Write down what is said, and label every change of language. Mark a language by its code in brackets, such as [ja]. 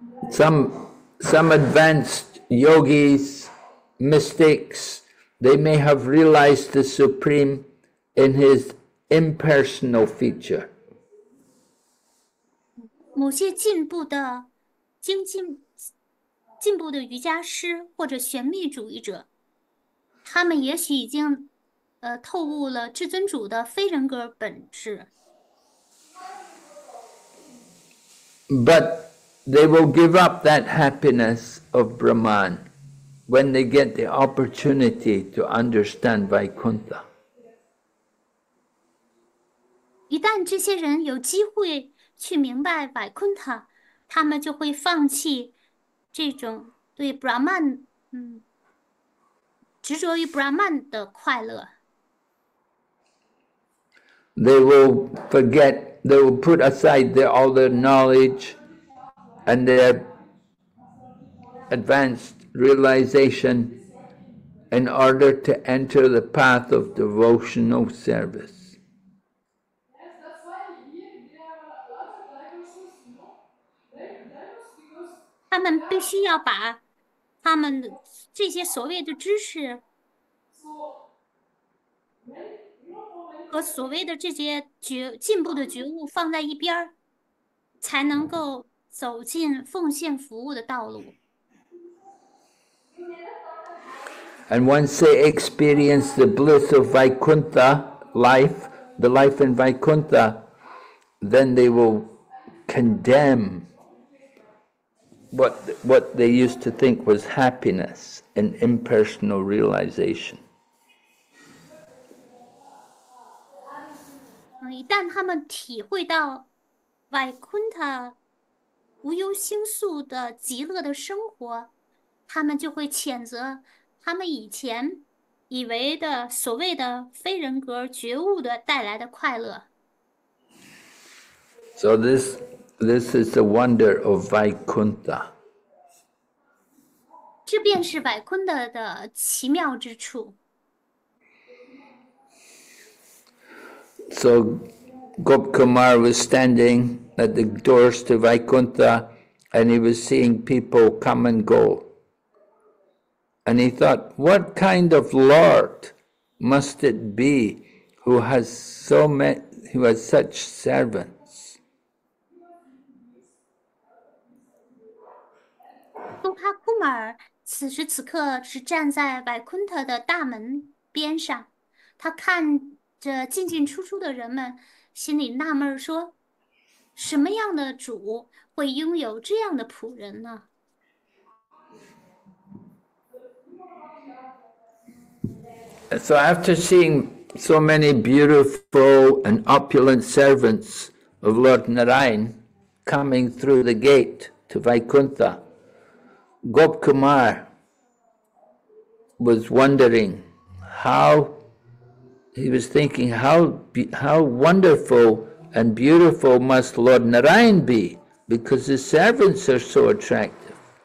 [en] Some advanced yogis, mystics, they may have realized the Supreme in his impersonal feature. [zh] 某些进步的精进步的瑜伽师或者玄密主义者，他们也许已经透悟了至尊主的非人格本质。 [en] But they will give up that happiness of Brahman when they get the opportunity to understand Vaikuntha. [zh] 一旦这些人有机会去明白百昆塔，他们就会放弃这种对 Brahman 执着于 Brahman 的快乐。 [en] They will forget, they will put aside all their knowledge and their advanced realization in order to enter the path of devotional service. [zh] 他们必须要把他们这些所谓的知识和所谓的这些进步的觉悟放在一边，才能够走进奉献服务的道路。 [en] And once they experience the bliss of Vaikuntha life, the life in Vaikuntha, then they will condemn what they used to think was happiness and impersonal realization. [zh] 一旦他们体会到 Vaikuntha 无忧星宿的极乐的生活，他们就会谴责他们以前以为的所谓的非人格觉悟的带来的快乐。 [en] So this is the wonder of Vaikuntha. [zh] 这便是百坤的奇妙之处。 [en] So Gop Kumar was standing at the doors to Vaikuntha and he was seeing people come and go. And he thought, what kind of lord must it be who has so many, who has such servants? [zh] 东哈库尔此时此刻是站在百昆特的大门边上，他看着进进出出的人们，心里纳闷说：“什么样的主会拥有这样的仆人呢？” [en] So after seeing so many beautiful and opulent servants of Lord Narayan coming through the gate to Vaikuntha, Gop Kumar was wondering how, he was thinking how wonderful and beautiful must Lord Narayan be because his servants are so attractive.